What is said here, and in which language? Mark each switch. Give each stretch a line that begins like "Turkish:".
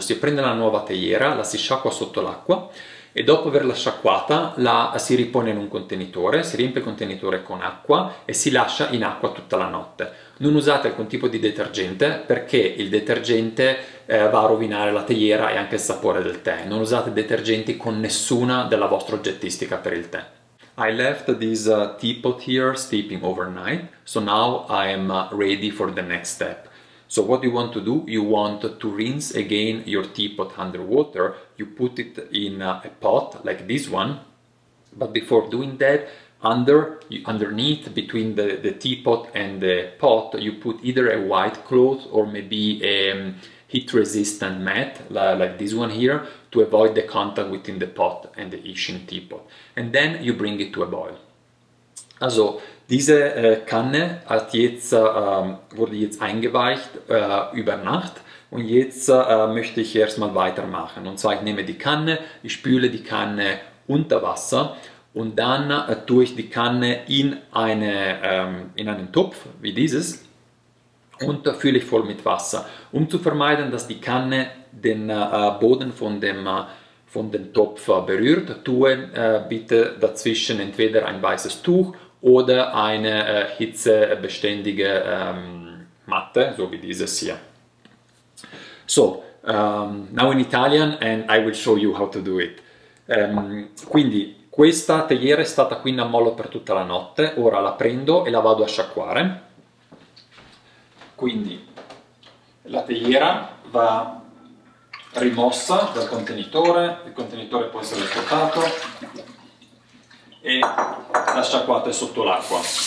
Italian: Si prende la nuova teiera, la si sciacqua sotto l'acqua e dopo averla sciacquata la si ripone in un contenitore, si riempie il contenitore con acqua e si lascia in acqua tutta la notte. Non usate alcun tipo di detergente perché il detergente va a rovinare la teiera e anche il sapore del tè. Non usate detergenti con nessuna della vostra oggettistica per il tè.
English: I left this teapot here steeping overnight, so now I am ready for the next step. So what you want to do, you want to rinse again your teapot under water. You put it in a pot like this one, but before doing that, underneath between the teapot and the pot, you put either a white cloth or maybe a heat resistant mat like this one here to avoid the contact within the pot and the YIXING teapot, and then you bring it to a boil.
German: Also diese Kanne hat jetzt wurde jetzt eingeweicht über Nacht, und jetzt möchte ich erstmal weitermachen. Und zwar, ich nehme die Kanne, ich spüle die Kanne unter Wasser Und dann tue ich die Kanne in einen Topf wie dieses und fülle ich voll mit Wasser, um zu vermeiden, dass die Kanne den Boden von dem Topf berührt. Tue bitte dazwischen entweder ein weißes Tuch oder eine hitzebeständige Matte, so wie dieses hier.
English: So, now in Italian and I will show you how to do it.
Italian: Quindi questa teiera è stata qui in ammollo per tutta la notte, ora la prendo e la vado a sciacquare. Quindi la teiera va rimossa dal contenitore, il contenitore può essere svuotato e la sciacquata è sotto l'acqua.